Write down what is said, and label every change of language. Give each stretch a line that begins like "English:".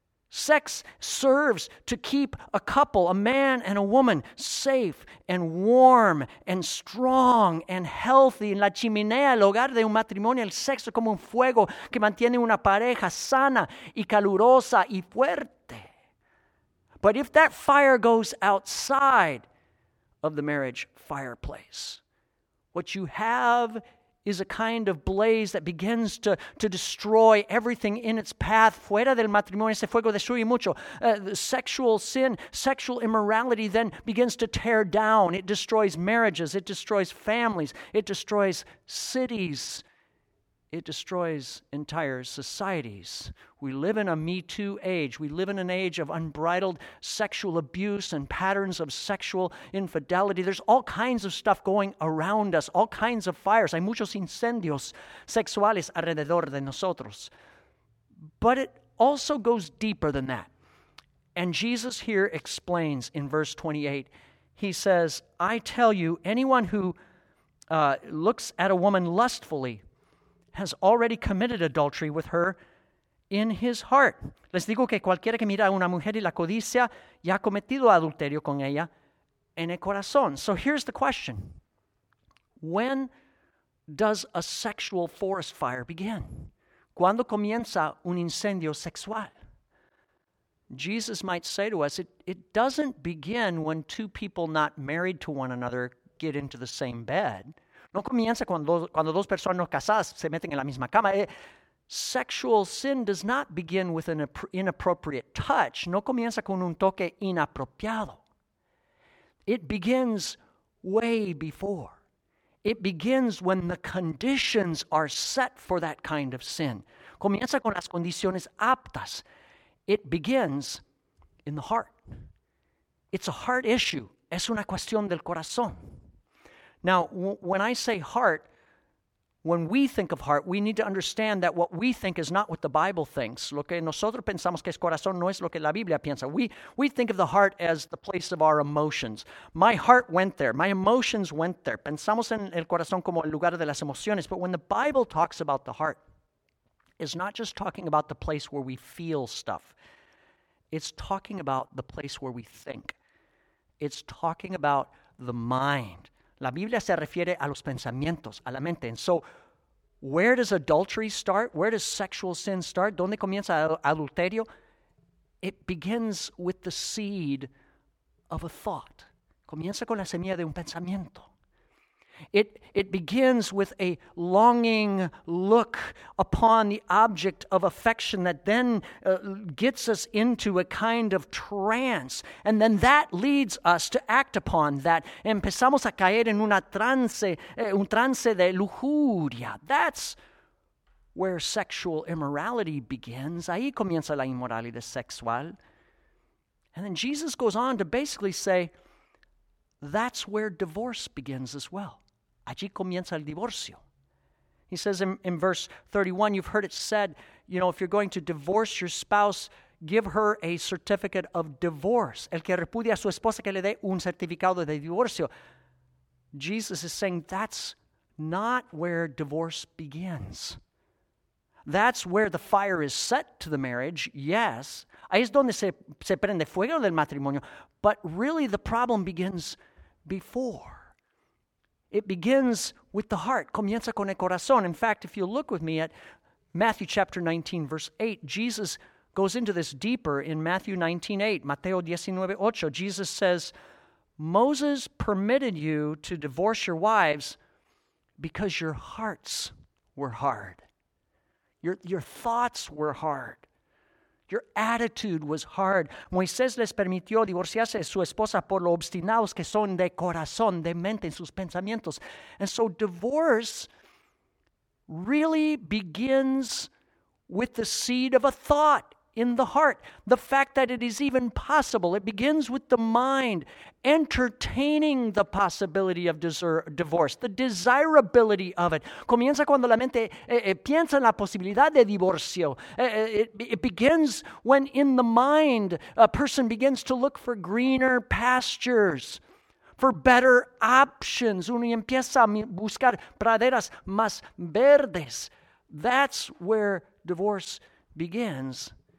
English: Sex serves to keep a couple, a man and a woman, safe and warm and strong and healthy.
Spanish: En la chimenea, el hogar de un matrimonio, el sexo como un fuego que mantiene una pareja sana y calurosa y fuerte.
English: But if that fire goes outside of the marriage fireplace, what you have is a kind of blaze that begins to destroy everything in its path.
Spanish: Fuera del matrimonio, ese fuego destruye mucho.
English: Sexual sin, sexual immorality then begins to tear down. It destroys marriages. It destroys families. It destroys cities. It destroys entire societies. We live in a Me Too age. We live in an age of unbridled sexual abuse and patterns of sexual infidelity. There's all kinds of stuff going around us, all kinds of fires.
Spanish: Hay muchos incendios sexuales alrededor de nosotros.
English: But it also goes deeper than that. And Jesus here explains in verse 28. He says, I tell you, anyone who looks at a woman lustfully has already committed adultery with her in his heart.
Spanish: Les digo que cualquiera que mira a una mujer y la codicia ya ha cometido adulterio con ella en el corazón.
English: So here's the question. When does a sexual forest fire begin?
Spanish: ¿Cuándo comienza un incendio sexual?
English: Jesus might say to us, it doesn't begin when two people not married to one another get into the same bed.
Spanish: No comienza cuando dos personas no casadas se meten en la misma cama.
English: Sexual sin does not begin with an inappropriate touch.
Spanish: No comienza con un toque inapropiado.
English: It begins way before. It begins when the conditions are set for that kind of sin.
Spanish: Comienza con las condiciones aptas.
English: It begins in the heart. It's a heart issue.
Spanish: Es una cuestión del corazón.
English: Now, when I say heart, when we think of heart, we need to understand that what we think is not what the Bible thinks.
Spanish: Lo que nosotros pensamos que es corazón no es lo que la Biblia piensa.
English: We think of the heart as the place of our emotions. My heart went there. My emotions went there.
Spanish: Pensamos en el corazón como el lugar de las emociones.
English: But when the Bible talks about the heart, it's not just talking about the place where we feel stuff. It's talking about the place where we think. It's talking about the mind.
Spanish: La Biblia se refiere a los pensamientos, a la mente.
English: And so, where does adultery start? Where does sexual sin start?
Spanish: ¿Dónde comienza adulterio?
English: It begins with the seed of a thought.
Spanish: Comienza con la semilla de un pensamiento.
English: It begins with a longing look upon the object of affection that then gets us into a kind of trance. And then that leads us to act upon that.
Spanish: Empezamos a caer en una trance, un trance de lujuria.
English: That's where sexual immorality begins.
Spanish: Ahí comienza la inmoralidad sexual.
English: And then Jesus goes on to basically say, that's where divorce begins as well.
Spanish: Allí comienza el divorcio.
English: He says in verse 31, you've heard it said, you know, if you're going to divorce your spouse, give her a certificate of divorce.
Spanish: El que repudia a su esposa, que le dé un certificado de divorcio.
English: Jesus is saying that's not where divorce begins. That's where the fire is set to the marriage, yes.
Spanish: Ahí es donde se prende fuego del matrimonio.
English: But really the problem begins before. It begins with the heart.
Spanish: Comienza con el corazón.
English: In fact, if you look with me at Matthew chapter 19, verse 8, Jesus goes into this deeper in Matthew 19, 8. Mateo 19, 8. Jesus says, Moses permitted you to divorce your wives because your hearts were hard. Your thoughts were hard. Your attitude was hard.
Spanish: Moisés les permitió divorciarse de su esposa por lo obstinados que son de corazón, de mente, en sus pensamientos.
English: And so divorce really begins with the seed of a thought in the heart. The fact that it is even possible, it begins with the mind entertaining the possibility of divorce, the desirability of it.
Spanish: Comienza cuando la mente piensa en la posibilidad de divorcio.
English: It begins when in the mind a person begins to look for greener pastures, for better options.
Spanish: Uno empieza a buscar praderas más verdes.
English: That's where divorce begins.